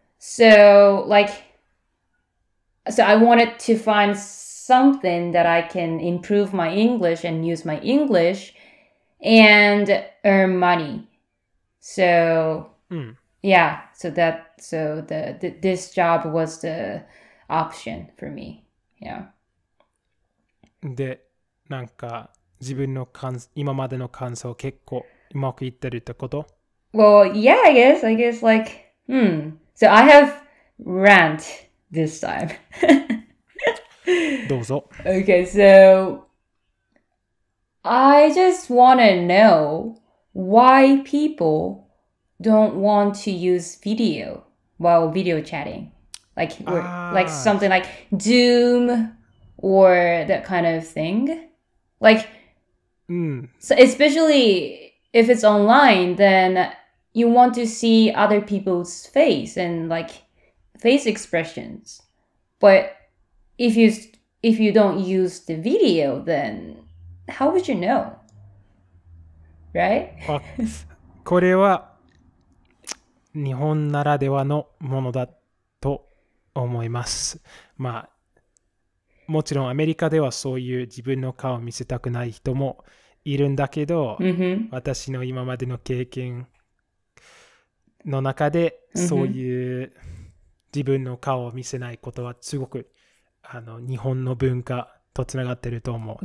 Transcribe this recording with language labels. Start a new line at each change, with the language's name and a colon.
English: So I wanted to find something that I can improve my English and use my English and earn money. So, yeah, this job was the option for me. Yeah.
Japanese: で、なんか、自分の今までの感想結構うまくいってるってこと?
English: Well, yeah, I guess like, So I have rant this time.
Japanese: どうぞ。
English: Okay, so I just want to know why people don't want to use video while video chatting. Like something like Zoom or that kind of thing. Like,So especially if it's online, then you want to see other people's face and like face expressions. But if you don't use the video, then how would you know? Right?
Japanese: これは日本ならではのものだと思います。まあもちろんアメリカではそういう自分の顔を見せたくない人もいるんだけど、私の今までの経験の中でそういう自分の顔を見せないことはすごくあの日本の文化とつながってると思う。